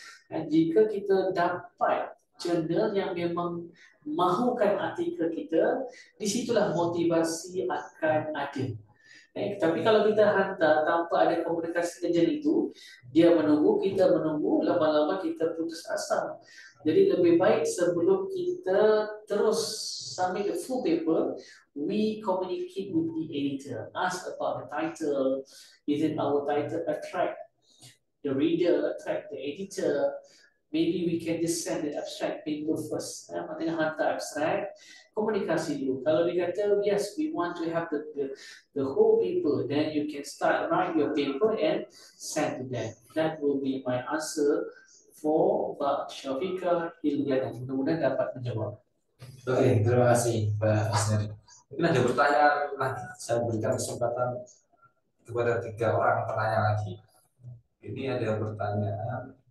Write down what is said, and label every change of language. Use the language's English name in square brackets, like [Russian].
[Malay] Jika kita dapat jurnal yang memang mahukan artikel kita, di situlah motivasi akan ada. Tapi kalau kita hantar tanpa ada komunikasi kerja itu, dia menunggu, kita menunggu, lama-lama kita putus asa. [English] Jadi lebih baik sebelum kita terus submit the full paper, we communicate with the editor, ask about the title, is it our title attract the reader, attract the editor, maybe we can just send the abstract paper first. Maksudnya hantar abstract, komunikasi dulu. Kalau dia kata, yes, we want to have the whole paper, then you can start write your paper and send to them. That will be my answer for Pak Syafiqah Hilyana. [Malay] Mudah-mudahan dapat menjawab. [Indonesian] Okay, terima kasih Pak Asnari. Mungkin ada pertanyaan lagi. Saya berikan kesempatan kepada tiga orang bertanya lagi. Ini ada pertanyaan.